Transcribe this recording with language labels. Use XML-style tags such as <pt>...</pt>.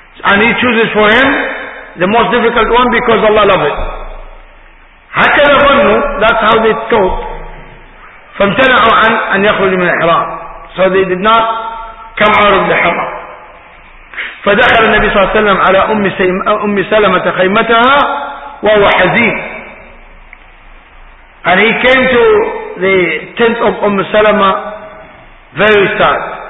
<en>And he chooses for him the most difficult one because Allah loves it.</en> <ar>هكذا ظنوا,</ar> <en>that's how they thought.</en> <ar>فامتنعوا عن أن يخرجوا من الإحرام.</ar> <en>So they did not come out of the ihram.</en> <ar>فدخل النبي صلى الله عليه وسلم على أم سلمة خيمتها وهو حزين.</ar> <en>And he came to the tent of Umm Salama very sad.</en>